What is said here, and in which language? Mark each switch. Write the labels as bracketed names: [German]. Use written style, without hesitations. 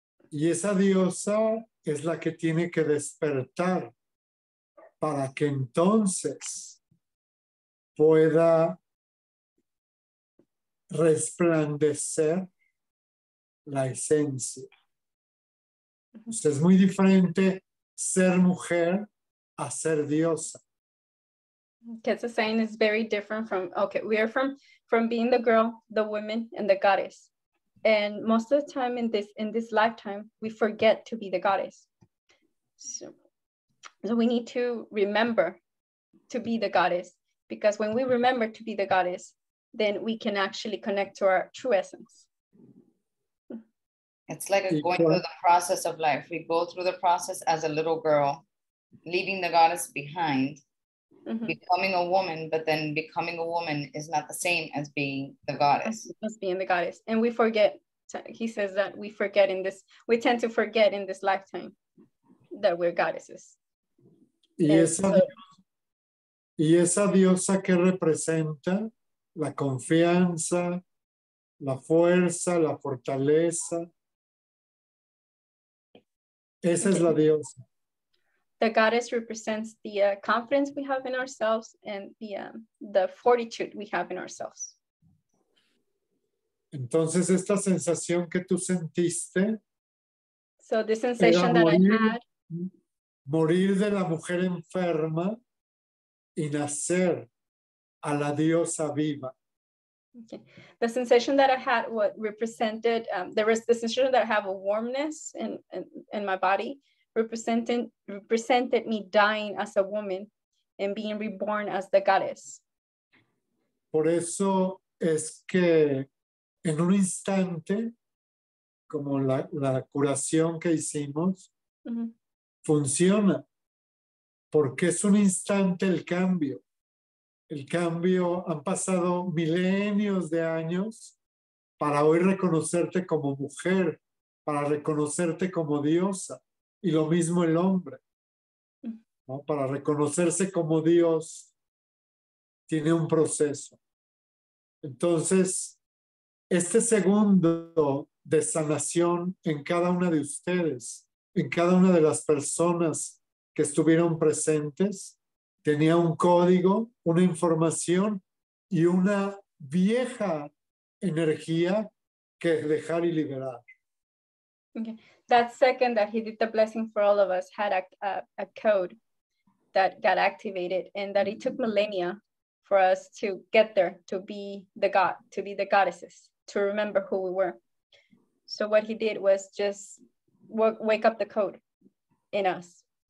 [Spanish] Y esa diosa es la que tiene que despertar para que entonces pueda resplandecer la esencia. Pues es muy diferente ser mujer a ser diosa. [English] Quetza saying is very different from, okay, we are from being the girl, the woman, and the goddess. And most of the time in this lifetime, we forget to be the goddess. So we need to remember to be the goddess, because when we remember to be the goddess, then we can actually connect to our true essence. It's like going through the process of life. We go through the process as a little girl, leaving the goddess behind. Mm-hmm. Becoming a woman, but then becoming a woman is not the same as being the goddess. As being the goddess. And we forget, he says that we forget in this, we tend to forget in this lifetime that we're goddesses. [Spanish] Y esa diosa que representa la confianza, la fuerza, la fortaleza. Esa es la diosa. [English] The goddess represents the confidence we have in ourselves and the fortitude we have in ourselves. [Spanish] Entonces esta sensación que tú sentiste. [English] So the sensation that I had. [Spanish] Morir de la mujer enferma y nacer a la diosa viva. [English] Okay. The sensation that I had what represented there was the sensation that I have a warmness in my body. Represented me dying as a woman and being reborn as the goddess. [Spanish] Por eso es que en un instante, como la curación que hicimos, funciona. Porque es un instante el cambio. El cambio, han pasado milenios de años para hoy reconocerte como mujer, para reconocerte como diosa. Y lo mismo el hombre, ¿no? Para reconocerse como Dios, tiene un proceso. Entonces, este segundo de sanación en cada una de ustedes, en cada una de las personas que estuvieron presentes, tenía un código, una información y una vieja energía que dejar y liberar. [English] That second that he did the blessing for all of us had a code that got activated, and that it took millennia for us to get there, to be the god, to be the goddesses, to remember who we were. So what he did was just wake up the code in us.